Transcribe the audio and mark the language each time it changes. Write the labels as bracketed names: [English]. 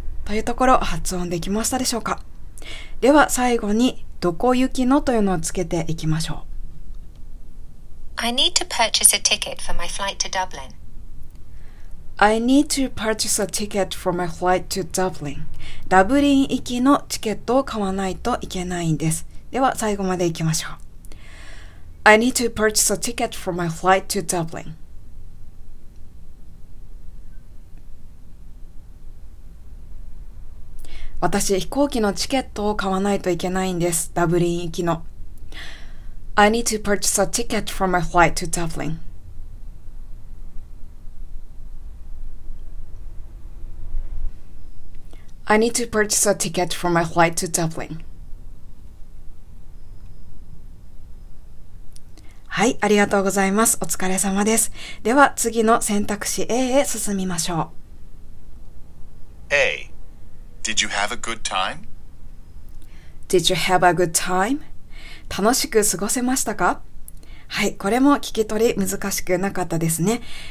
[Japanese] というところ発音できましたでしょうか。では最後にどこ行きのというのをつけていきましょう。 [English] I need to purchase a ticket for my flight to Dublin. I need to purchase a ticket for my flight to Dublin. [Japanese] ダブリン行きのチケットを買わないといけないんです。では最後までいきましょう。 [English] I need to purchase a ticket for my flight to Dublin. [Japanese] 私、飛行機のチケットを買わないといけないんです。ダブリン行きの。 [English] I need to purchase a ticket for my flight to Dublin. I need to purchase a ticket for my flight to Dublin. [Japanese] はい、ありがとうございます。お疲れ様です。では、次の選択肢 A へ進みましょう。 [English] A. Did you have a good time? Did you have a good time? [Japanese] 楽しく過ごせましたか?はい、これも聞き取り難しくなかったですね。